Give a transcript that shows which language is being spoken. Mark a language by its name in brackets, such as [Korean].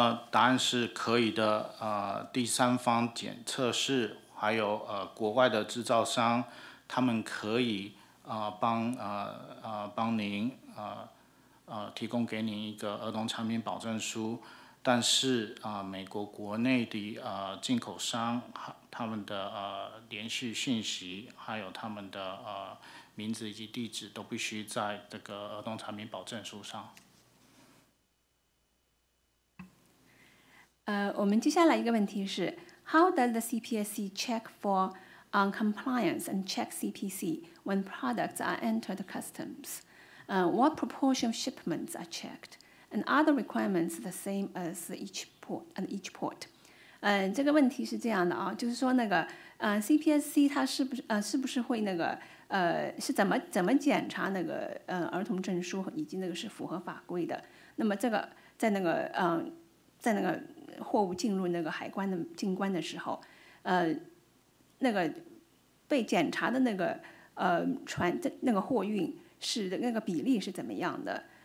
[Chinese] 答案是可以的第三方检测室还有国外的制造商他们可以帮您提供给您一个儿童产品保证书但是美国国内的进口商他们的联系信息还有他们的名字以及地址都必须在这个儿童产品保证书上。我们接下来一个问题是 [English] How does the CPSC check for compliance and check CPC when products are entered customs? What proportion of shipments are checked? And are the requirements the same as each port? [Chinese] 这个问题是这样的啊，就是说那个CPSC 它是不是是不是会那个是怎么检查那个儿童证书以及那个是符合法规的？那么这个在那个在那个货物进入那个海关的进关的时候，那个被检查的那个船那个货运是那个比例是怎么样的？